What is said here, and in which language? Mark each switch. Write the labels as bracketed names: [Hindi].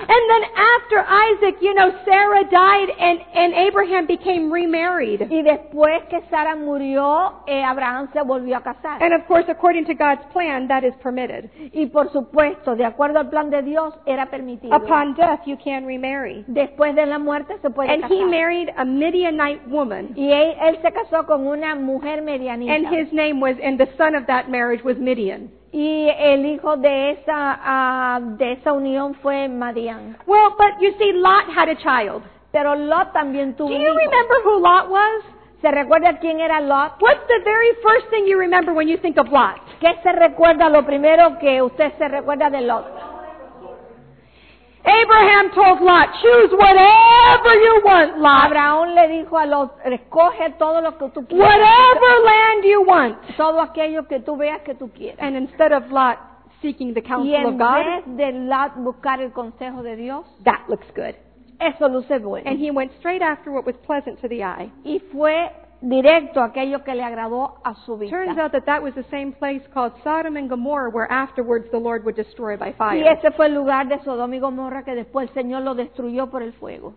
[English] And then after Isaac, you know, Sarah died and Abraham became remarried. [Spanish] Y después que Sara murió, Abraham se volvió a casar. [English] And of course, according to God's plan, that is permitted. [Spanish] Y por supuesto, de acuerdo al plan de Dios, era permitido. [English] Upon death, you can remarry. [Spanish] Después de la muerte, se puede casar. [English] And he married a Midianite woman. [Spanish] Y él se casó con una mujer medianita. [English] And his name was, and the son of that marriage was Midian. [Spanish] Y el hijo de esa unión fue Madian. [English] Well, but you see, Lot had a child. [Spanish] Pero Lot también tuvo un hijo. [English] Do you remember who Lot was? [Spanish] ¿Se recuerda quién era Lot? [English] What's the very first thing you remember when you think of Lot? [Spanish] ¿Qué se recuerda lo primero que usted se recuerda de Lot? [English] Abraham told Lot, choose whatever you want, Lot. [Spanish] Abraham le dijo a Lot, escoge todo lo que tú quieras. [English] Whatever land you want. [Spanish] Todo aquello que tú veas que tú quieras. [English] And instead of Lot seeking the counsel of God. [Spanish] Y en vez de Lot buscar el consejo de Dios. [English] That looks good. [Spanish] eso luce bueno. [English] And he went straight after what was pleasant to the eye. [Spanish] Y fue directo aquello que le agradó a su vista. [English] Turns out that that was the same place called Sodom and Gomorrah where afterwards the Lord would destroy by fire. [Spanish] Y ese fue el lugar de Sodoma y Gomorra que después el Señor lo destruyó por el fuego.